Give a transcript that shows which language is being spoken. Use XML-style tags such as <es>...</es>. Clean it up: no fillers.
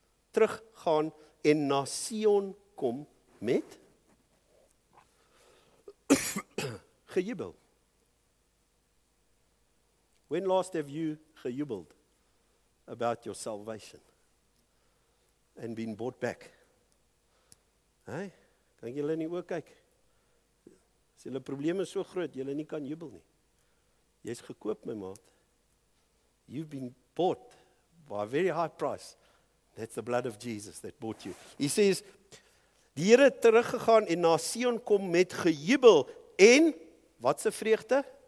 <af>Teruggaan en na Sion kom met gejubel.</af> <en>When last have you gejubeld about your salvation? And been brought back.</en> <af>Hey, kan jy hulle nie ook kyk? As julle probleme so groot, julle nie kan jubel nie. Jy is gekoop, my maat.</af> <en>You've been bought by a very high price. That's the blood of Jesus that bought you. He says,</en> <af>die Here het teruggegaan en na Sion kom met gejubel en, wat se vreugde?</af>